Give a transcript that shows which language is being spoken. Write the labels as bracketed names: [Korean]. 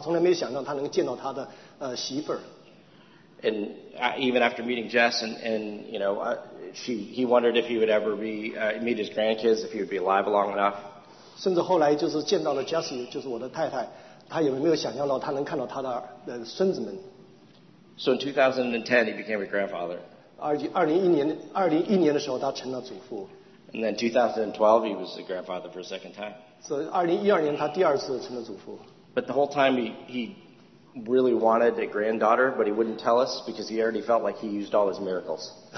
[Chinese] 在2003年的时候，当这个对话发生以后，他从来没有想到他能见到他的媳妇儿。 [English] And even after meeting Jess, and you know, he wondered if he would ever be meet his grandkids, if he would be alive long enough. [Chinese] 甚至后来就是见到了 Jessie, 就是我的太太，他有没有想象到他能看到他的孙子们？ [English] So in 2010, he became a grandfather. [Chinese] 二零一一年的时候，他成了祖父。 [English] And then 2012, he was a grandfather for a second time. [Chinese] 所以2012年他第二次成了祖父。But [English] the whole time he really wanted a granddaughter, but he wouldn't tell us because he already felt like he used all his miracles.